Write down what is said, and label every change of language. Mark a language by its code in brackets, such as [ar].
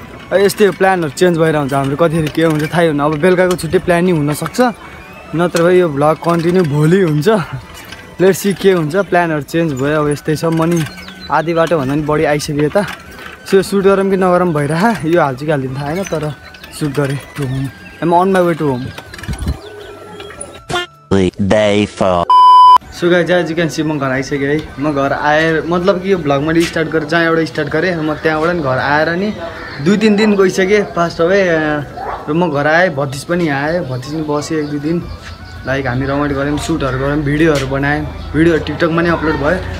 [ne] यस्तै प्लानहरू चेन्ज भएर हुन्छ. हाम्रो कतिखेर के हुन्छ थाहै हुन्न. अब बेलुकाको छुट्टै प्लान नै हुनसक्छ. नत्र भयो यो भ्लग कन्टिन्यू भोलि हुन्छ. [en] let's see [ne] के हुन्छ. प्लानहरू चेन्ज भयो. अब यस्तै छ. म नि आधी बाटो भन्दा पनि बढी आइसक्यो यता. सो सुट गरौँ कि नगरौँ भइरह यो हाल्छु कि हालिदिनु थाहा होइन तर सुट गरेँ to home. [en] Am on my way to home. So guys as you can see [ne] म घर आइसकेँ है. म घर आएर मतलब कि यो भ्लग मैले स्टार्ट गरेँ जहाँबाट स्टार्ट गरेँ म त्यहाँबाट नि घर आएर नि दुई तिन दिन गइसकेँ फास्ट अवे. र म घर आएँ. भतिज पनि आएँ. भतिज पनि बसेँ एक दुई दिन. लाइक हामी रमाइलो गऱ्यौँ सुटहरू गऱ्यौँ भिडियोहरू बनायौँ. भिडियोहरू टिकटकमा नि अपलोड भयो.